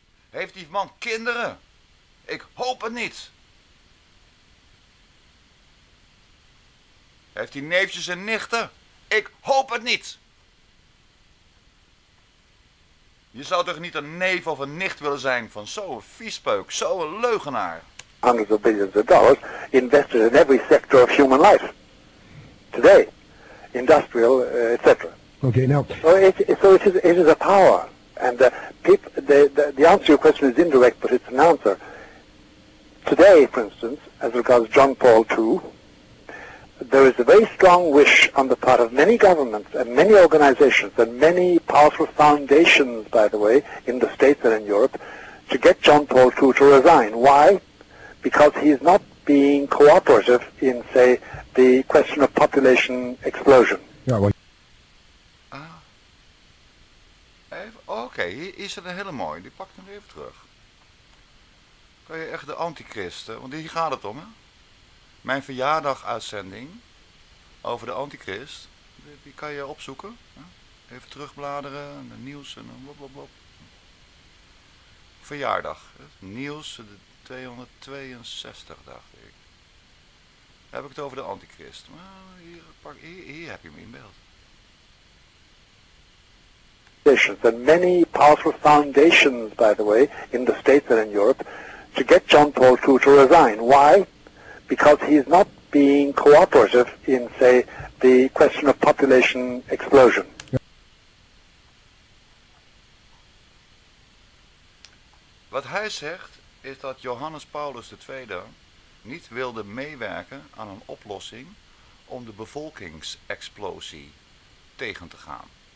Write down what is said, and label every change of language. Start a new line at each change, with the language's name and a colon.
Dutch: Heeft die man kinderen? Ik hoop het niet. Heeft hij neefjes en nichten? Ik hoop het niet. Je zou toch niet een neef of een nicht willen zijn van zo'n viespeuk, zo'n leugenaar?
English: Hundreds of billions of dollars invested in every sector of human life. Today. industrial, etc. Okay, now. So it is a power, and the answer to your question is indirect, but it's an answer. Today, for instance, as regards John Paul II, there is a very strong wish on the part of many governments and many organizations and many powerful foundations, by the way, in the States and in Europe, to get John Paul II to resign. Why? Because he is not being cooperative in, say, the question of population explosion. Yeah, well.
Dutch: Oké, hier is er een hele mooie. Die pakt hem even terug. Kan je echt de antichristen, want hier gaat het om, hè? Mijn verjaardaguitzending over de antichrist, die kan je opzoeken. Hè? Even terugbladeren, de nieuws en blop, blop, blop. Verjaardag, hè? Nieuws, de 262, dacht ik. Dan heb ik het over de antichrist. Maar hier heb je hem in beeld.
English: And many powerful foundations, by the way, in the States and in Europe, to get John Paul II to resign. Why? Because he is not being cooperative in, say, the question of population explosion.
Dutch: Wat hij zegt is dat Johannes Paulus II niet wilde meewerken aan een oplossing om de bevolkingsexplosie tegen te gaan.